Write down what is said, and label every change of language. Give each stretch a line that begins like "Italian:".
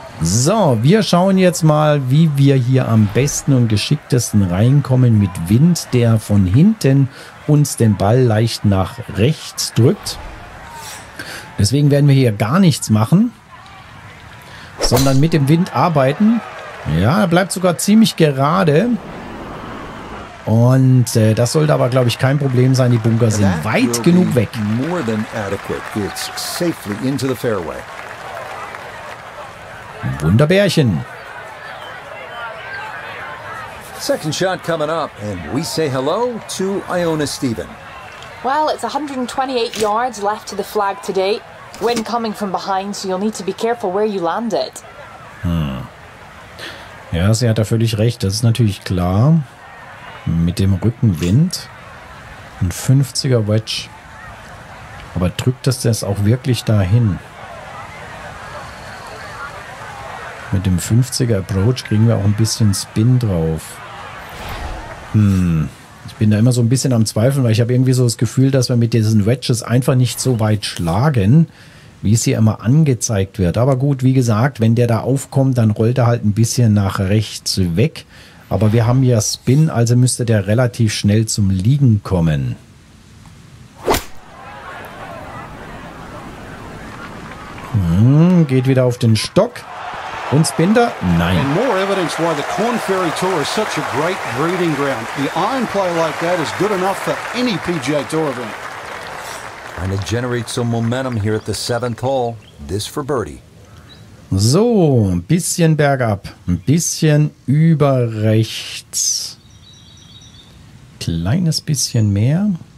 German: So, wir schauen jetzt mal, wie wir hier am besten und geschicktesten reinkommen mit Wind, der von hinten uns den Ball leicht nach rechts drückt. Deswegen werden wir hier gar nichts machen, sondern mit dem Wind arbeiten. Ja, er bleibt sogar ziemlich gerade. Und das sollte aber, glaube ich, kein Problem sein. Die Bunker sind weit genug weg.
English: More than adequate. It's safely into the fairway.
German: Wunderbärchen.
English: Second shot coming up. And we say hello to Iona Steven. Well, it's 128 yards left to the flag today. Wind coming from behind, so you'll need to be careful where you land it.
German: Ja, sie hat da völlig recht. Das ist natürlich klar. Mit dem Rückenwind. Ein 50er Wedge. Aber drückt das das auch wirklich dahin? Mit dem 50er Approach kriegen wir auch ein bisschen Spin drauf. Ich bin da immer so ein bisschen am Zweifeln, weil ich habe irgendwie so das Gefühl, dass wir mit diesen Wedges einfach nicht so weit schlagen, wie es hier immer angezeigt wird. Aber gut, wie gesagt, wenn der da aufkommt, dann rollt er halt ein bisschen nach rechts weg. Aber wir haben ja Spin, also müsste der relativ schnell zum Liegen kommen. Geht wieder auf den Stock. Und Spinder? Nein.
English: And more evidence why the Korn Ferry Tour is such a great breeding ground. The iron play like that is good enough for any PGA Tour event. Trying to generate some momentum here at the seventh hole. This for birdie.
German: So, ein bisschen bergab. Ein bisschen über rechts. Kleines bisschen mehr.